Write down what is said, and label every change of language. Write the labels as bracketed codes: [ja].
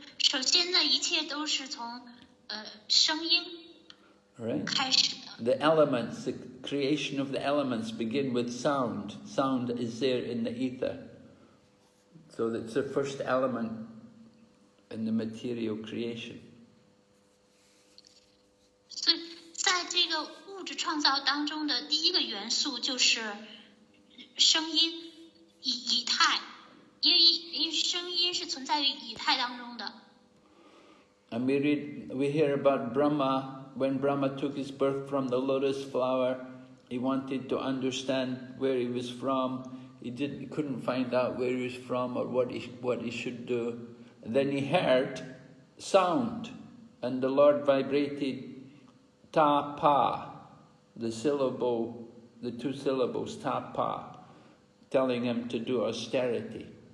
[zh] 首先呢，一切都是从声音开始的。 [en] The elements, the creation of the elements begin with sound. Sound is there in the ether. So it's the first element in the material creation. [zh] So, 在这个物质创造当中的第一个元素就是声音，以太，因为声音是存在于以太当中的。 [en] And we hear about Brahma. When Brahma took his birth from the lotus flower, he wanted to understand where he was from. He couldn't find out where he was from or what he should do. Then he heard sound, and the Lord vibrated ta pa, the two syllables ta pa, telling him to do austerity.